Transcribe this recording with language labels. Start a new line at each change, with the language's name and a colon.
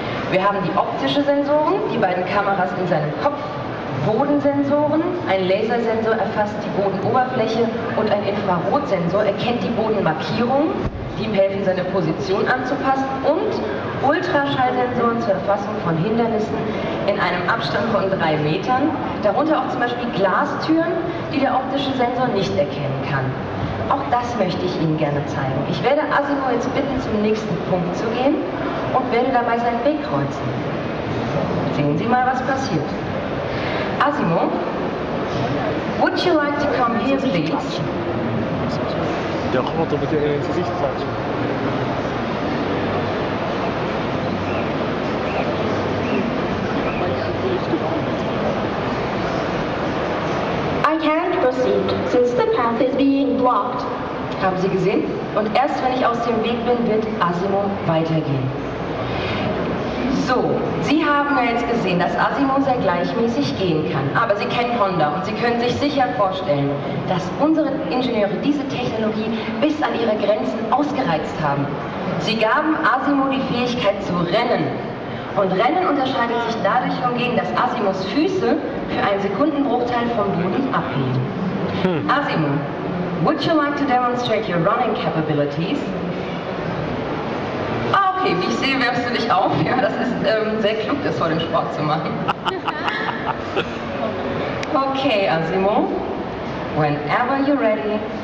German: Wir haben die optische Sensoren, die beiden Kameras in seinem Kopf, Bodensensoren, ein Lasersensor erfasst die Bodenoberfläche und ein Infrarotsensor erkennt die Bodenmarkierung, die ihm helfen, seine Position anzupassen, und Ultraschallsensoren zur Erfassung von Hindernissen in einem Abstand von 3 Metern, darunter auch zum Beispiel Glastüren, die der optische Sensor nicht erkennen kann. Auch das möchte ich Ihnen gerne zeigen. Ich werde ASIMO jetzt bitten, zum nächsten Punkt zu gehen und werde dabei seinen Weg kreuzen. Sehen Sie mal, was passiert.
English: ASIMO, would you like to come here, please?
German: Der Roboter wird dir ins Gesicht klatschen.
English: I can't proceed, since the path is being blocked.
German: Haben Sie gesehen? Und erst wenn ich aus dem Weg bin, wird ASIMO weitergehen. So, Sie haben ja jetzt gesehen, dass ASIMO sehr gleichmäßig gehen kann. Aber Sie kennen Honda und Sie können sich sicher vorstellen, dass unsere Ingenieure diese Technologie bis an ihre Grenzen ausgereizt haben. Sie gaben ASIMO die Fähigkeit zu rennen. Und Rennen unterscheidet sich dadurch hingegen, dass ASIMOs Füße für einen Sekundenbruchteil vom Boden abheben.
English: ASIMO, would you like to demonstrate your running capabilities?
German: Okay, wie ich sehe, wärmst du dich auf. Ja, das ist sehr klug, das vor dem Sport zu machen.
English: Okay, ASIMO. Whenever you're ready.